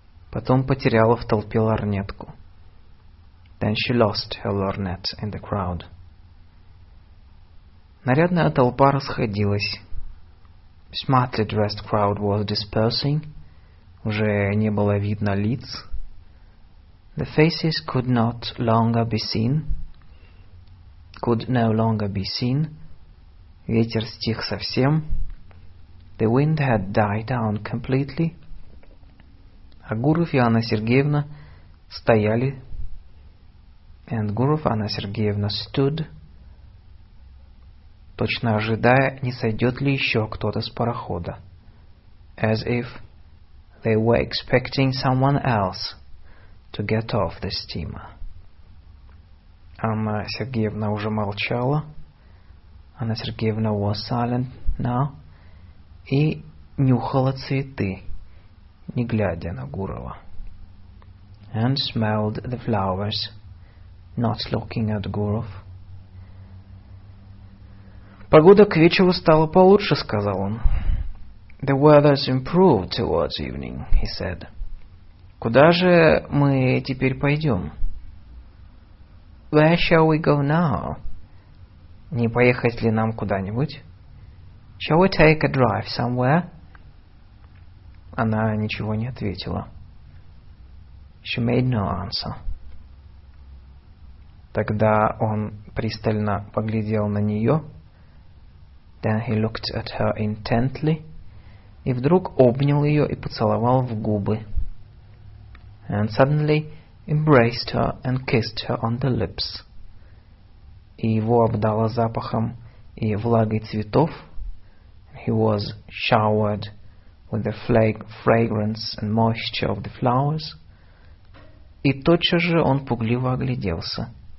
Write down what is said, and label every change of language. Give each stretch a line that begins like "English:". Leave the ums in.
Russian: Потом потеряла в толпе ларнетку.
English: Then she lost her lornet in the crowd.
Russian: Нарядная толпа расходилась.
English: Smartly dressed crowd was dispersing.
Russian: Уже не было видно лиц.
English: The faces could not longer be seen. Could no longer be seen.
Russian: Ветер стих совсем.
English: The wind had died down completely.
Russian: Агуров и Анна Сергеевна стояли.
English: And Гуров Анна Сергеевна stood
Russian: точно ожидая, не сойдет ли еще кто-то с парохода.
English: As if they were expecting someone else to get off the steamer.
Russian: Анна Сергеевна уже молчала.
English: Анна Сергеевна was silent now.
Russian: И нюхала цветы, не глядя на Гурова.
English: And smelled the flowers, not looking at Gurov.
Russian: Погода к вечеру стала получше, сказал он.
English: The weather's improved towards evening, he said.
Russian: Куда же мы теперь пойдем?
English: Where shall we go now?
Russian: Не поехать ли нам куда-нибудь?
English: Shall we take a drive somewhere?
Russian: Она ничего не ответила.
English: She made no answer.
Russian: Тогда он пристально поглядел на нее.
English: Then he looked at her intently.
Russian: И вдруг обнял ее и поцеловал в губы.
English: And suddenly embraced her and kissed her on the lips.
Russian: И его обдало запахом и влагой цветов.
English: He was showered with the fragrance and moisture of the flowers.
Russian: И тотчас же, же он пугливо огляделся.